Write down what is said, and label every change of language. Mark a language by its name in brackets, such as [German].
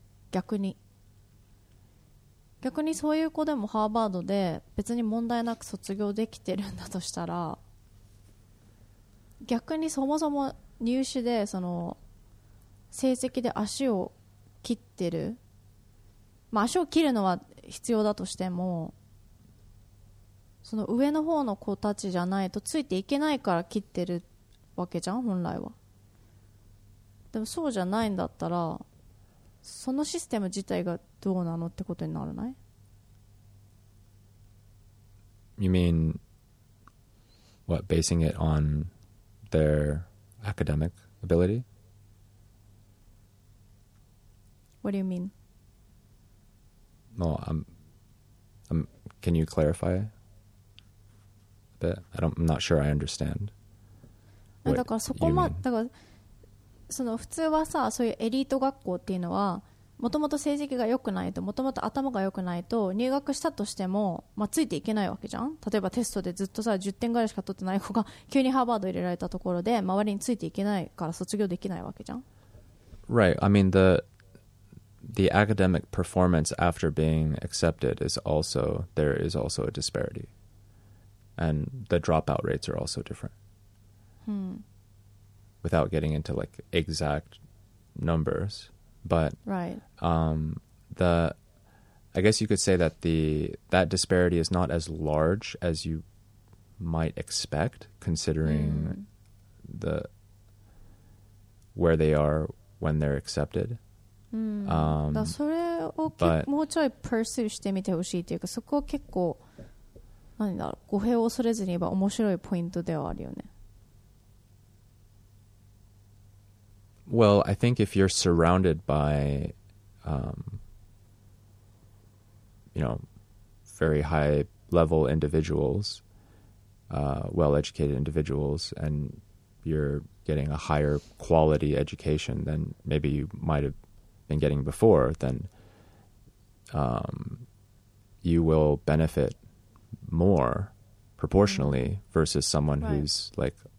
[Japanese] 逆にそういう子でもハーバードで別に問題なく卒業できてるんだとしたら、逆にそもそも入試でその成績で足を切ってる、まあ、足を切るのは必要だとしても、その上の方の子たちじゃないとついていけないから切ってるわけじゃん本来は。でもそうじゃないんだったら、そのシステム自体がどうなのってことにならない？ [English] You mean what, basing it on their academic ability? What do you mean? Well, can you clarify a bit? I'm not sure I understand. [Japanese] だからそこまで、だからその普通はさ、そういうエリート学校っていうのは、もともと成績が良くないと、もともと頭が良くないと、入学したとしても、まあ、ついていけないわけじゃん。例えばテストでずっとさ、10点ぐらいしか取ってない子が、急にハーバード入れられたところで、周りについていけないから卒業できないわけじゃん。 [English] Right. I mean, the academic performance after being accepted is also, there is also a disparity. And the dropout rates are also different. Hmm. Without getting into like exact numbers. But right. I guess you could say that that disparity is not as large as you might expect considering where they are when they're accepted. [Japanese] だそれを [English] but, [Japanese] もうちょいパーシューしてみてほしいというか、そこは結構何だろう、語弊を恐れずに言えば面白いポイントではあるよね。 [English] Well, I think if you're surrounded by very high level individuals, well educated individuals, and you're getting a higher quality education than maybe you might haveBeen getting before, then you will benefit more proportionally versus someone who's like